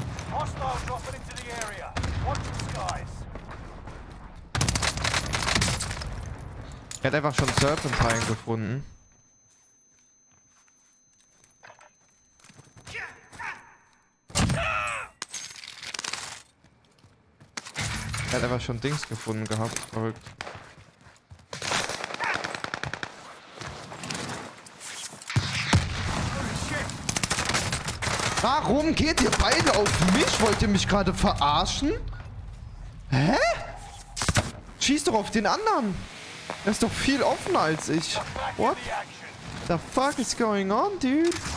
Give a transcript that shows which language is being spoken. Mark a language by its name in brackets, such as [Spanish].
[English] Hostile dropping into the area. Watch the skies. [German] Er hat einfach schon Serpentine gefunden. Er hat einfach schon Dings gefunden gehabt, verrückt. Warum geht ihr beide auf mich? Wollt ihr mich gerade verarschen? Hä? Schieß doch auf den anderen! Er ist doch viel offener als ich. [English] What? The fuck is going on, dude?